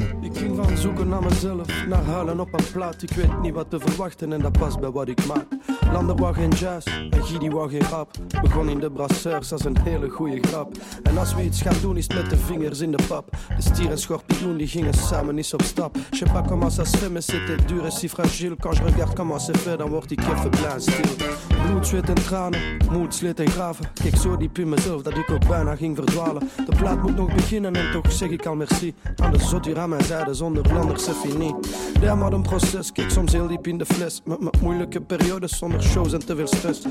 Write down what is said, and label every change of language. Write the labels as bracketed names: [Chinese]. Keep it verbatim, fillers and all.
[Dutch] Ik ging van zoeken naar mezelf, naar halen op een plaat. Ik weet niet wat te verwachten en dat past bij wat ik maak. Lander wou geen jazz en Gidi wou geen rap. Begon in de brasseurs als een hele goeie grap. En als we iets gaan doen is het met de vingers in de pap. De stier en scorpioen die gingen samen eens op stap. [French] Je sais pas comment ça se fait mais c'était dur et si fragile. Quand je regarde comment c'est fait [Dutch] dan word ik even blij en stil. Bloed, zweet en tranen, moed, sleet en graven. Kijk zo diep in mezelf dat ik ook bijna ging verdwalen. De plaat moet nog beginnen en toch zeg ik al merci. Aan de zot hier aan mijn zijde zonder Vlaanders [French] c'est fini. [Dutch] Ja maar een proces, kijk soms heel diep in de fles. Met mijn moeilijke periodes zonder shows en te veel stress.